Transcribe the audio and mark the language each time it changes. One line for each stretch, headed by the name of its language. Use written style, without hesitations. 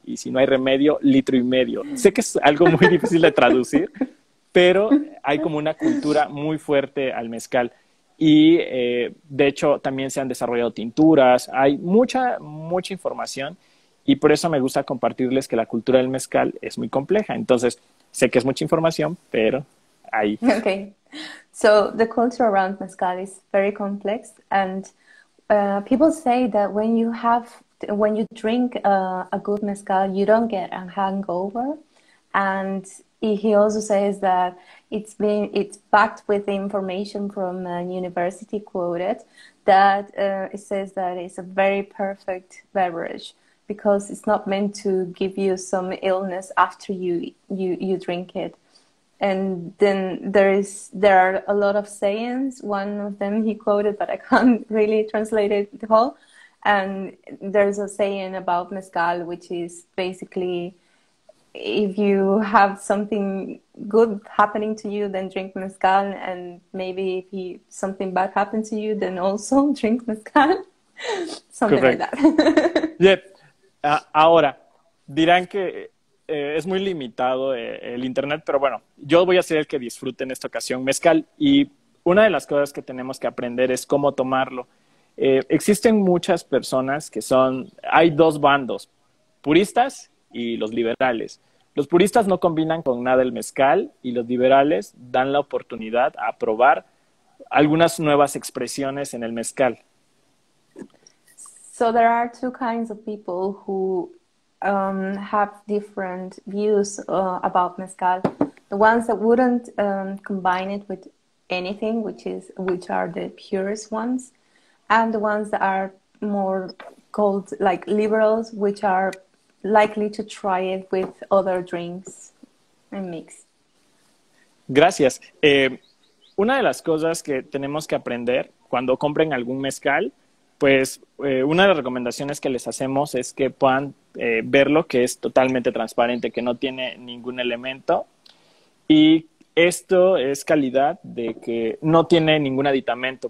Spanish: Y si no hay remedio, litro y medio. Sé que es algo muy difícil de traducir, pero hay como una cultura muy fuerte al mezcal. Y de hecho, también se han desarrollado tinturas. Hay mucha, mucha información. Y por eso me gusta compartirles que la cultura del mezcal es muy compleja. Entonces, sé que es mucha información, pero ahí.
English: Okay. So, the culture around mezcal is very complex. And people say that when you drink a good mezcal, you don't get a hangover. And he also says that it's backed with information from a university quoted that it says that it's a very perfect beverage because it's not meant to give you some illness after you drink it. And then there are a lot of sayings. One of them he quoted, but I can't really translate it the whole. And there's a saying about mezcal, which is basically, if you have something good happening to you, then drink mezcal. And maybe if something bad happened to you, then also drink mezcal. Something Correct. Like that. Yep.
Spanish: Ahora, dirán que es muy limitado el internet, pero bueno, yo voy a ser el que disfrute en esta ocasión mezcal. Y una de las cosas que tenemos que aprender es cómo tomarlo. Existen muchas personas que son, hay dos bandos, puristas y los liberales. Los puristas no combinan con nada el mezcal y los liberales dan la oportunidad a probar algunas nuevas expresiones en el mezcal.
English: So there are two kinds of people who have different views about mezcal. The ones that wouldn't combine it with anything, which are the purest ones, and the ones that are more called like liberals, which are likely to try it with other drinks and mix.
Spanish: Gracias. Una de las cosas que tenemos que aprender cuando compren algún mezcal pues una de las recomendaciones que les hacemos es que puedan ver lo que es totalmente transparente, que no tiene ningún elemento. Y esto es calidad de que no tiene ningún aditamento.